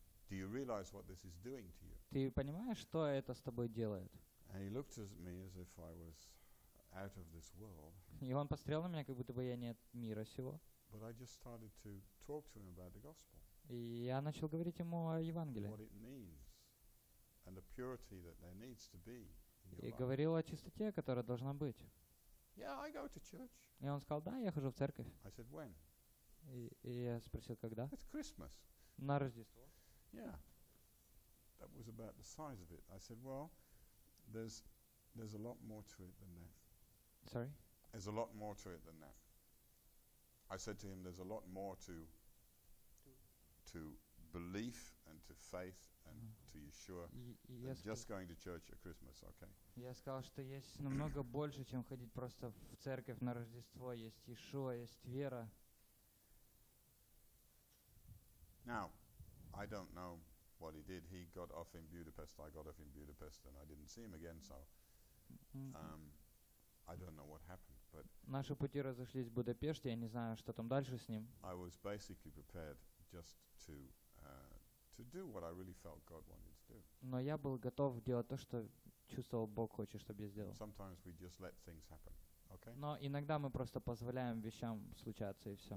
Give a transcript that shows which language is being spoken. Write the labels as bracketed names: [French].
[English] Do you realize what this is doing to you? [Russian] Ты понимаешь, что это с тобой делает? [English] And he looked at me as if I was out of this world. [Russian] И он посмотрел на меня, как будто бы я не от мира сего. [English] But I just started to talk to him about the gospel. [Russian] И я начал говорить ему о Евангелии. [English] What it means and the purity that there needs to be. [Russian] И говорил о чистоте, которая должна быть. [English] Yeah, I go to church. [Russian] И он сказал: "Да, я хожу в церковь". [English] I said, "When?" [Russian] И я спросил: "Когда?" [English] It's Christmas. [Russian] На Рождество. [English] Yeah. That was about the size of it. I said, "Well, there's a lot more to it than that." Sorry? There's a lot more to it than that. I said to him, "There's a lot more to belief and to faith and to Yeshua than just going to church at Christmas." Okay. [Russian] Я сказал, что есть намного больше, чем ходить просто в церковь на Рождество. Есть Yeshua, есть вера. [English] Now, I don't know what he did. He got off in Budapest, I got off in Budapest, and I didn't see him again, so I don't know what happened. But [Russian] наши пути разошлись в Будапеште, я не знаю, что там дальше с ним. [English] I was basically prepared just to do what I really felt God wanted to do. [Russian] Но я был готов делать то, что чувствовал Бог хочет, чтобы я сделал. [English] Sometimes we just let things happen. Okay? [Russian] Но иногда мы просто позволяем вещам случаться и все.